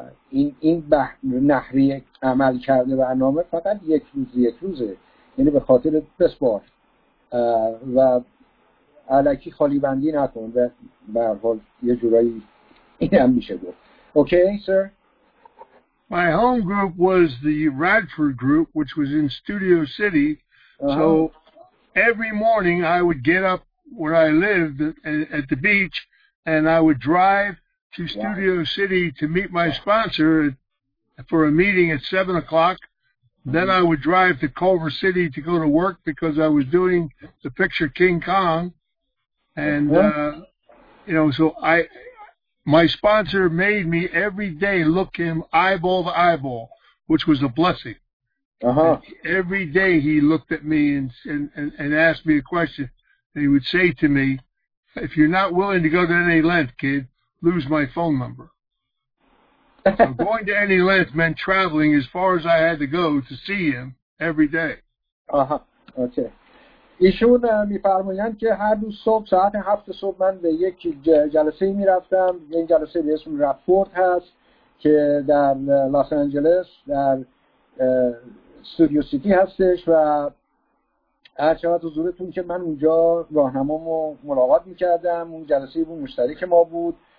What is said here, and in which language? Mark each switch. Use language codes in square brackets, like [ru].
[fa] این نحوه عمل کرده برنامه فقط یک روز یک روزه، یعنی به خاطر بس بار و علکی خالی بندی نکن. و به هر حال یه جورایی این هم میشه گفت. [en] Okay sir? My home group was the Radford group, which was in Studio City. So every morning I would get up where I lived at the beach, and I would drive to Studio City to meet my sponsor for a meeting at 7 o'clock. Then I would drive to Culver City to go to work because I was doing the picture King Kong. And, you know, so my sponsor made me every day look him eyeball to eyeball, which was a blessing. Every day he looked at me and asked me a question. And he would say to me, if you're not willing to go to any length, kid, lose my phone number. So going to any length meant traveling as far as I had to go to see him every day. [fa] ایشون میفرمایند که هر روز صبح ساعت 7 صبح من به یک جلسه میرفتم. این جلسه به اسم رپورت هست که در لس آنجلس در استودیو سیتی هستش. و هر چقدر حضورتون که من اونجا راهنمامو ملاقات میکردم، اون جلسه بود مشترک ما بود.